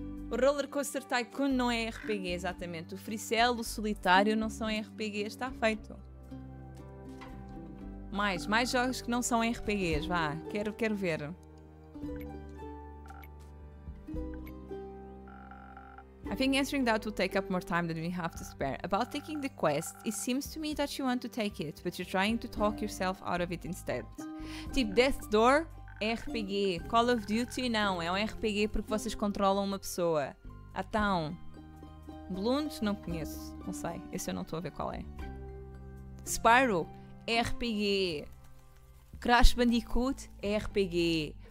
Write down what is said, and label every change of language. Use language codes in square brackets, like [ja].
[pt] O Roller Coaster Tycoon não é RPG, exatamente. O Fricel, o Solitário não são RPGs, está feito. Mais jogos que não são RPGs, vá, quero ver. [en] I think answering that will take up more time than we have to spare. About taking the quest, it seems to me that you want to take it, but you're trying to talk yourself out of it instead. [pt] Tipo, Death Door, RPG. Call of Duty, não, é um RPG porque vocês controlam uma pessoa. Então, Blunt, não conheço, não sei, esse eu não estou a ver qual é. Spyro, RPG. Crash Bandicoot, RPG.